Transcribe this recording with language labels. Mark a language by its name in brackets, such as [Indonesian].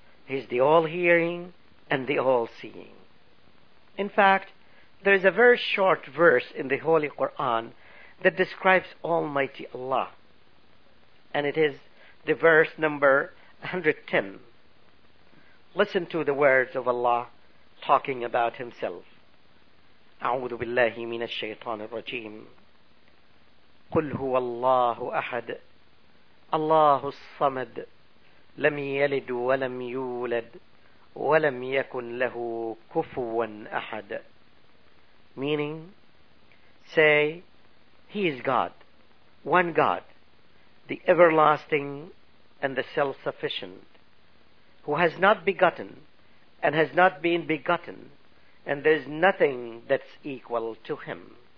[English] He is the all-hearing and the all-seeing. In fact, there is a very short verse in the Holy Quran that describes Almighty Allah. And it is the verse number 110. Listen to the words of Allah talking about Himself. [Arabic] أعوذ بالله من الشيطان الرجيم قل هو الله أحد الله الصمد لم يلد ولم يولد ولم يكن له كفوا أحد. [English] Meaning, say, He is God, one God, the everlasting and the self-sufficient, who has not begotten and has not been begotten, and there is nothing that's equal to Him.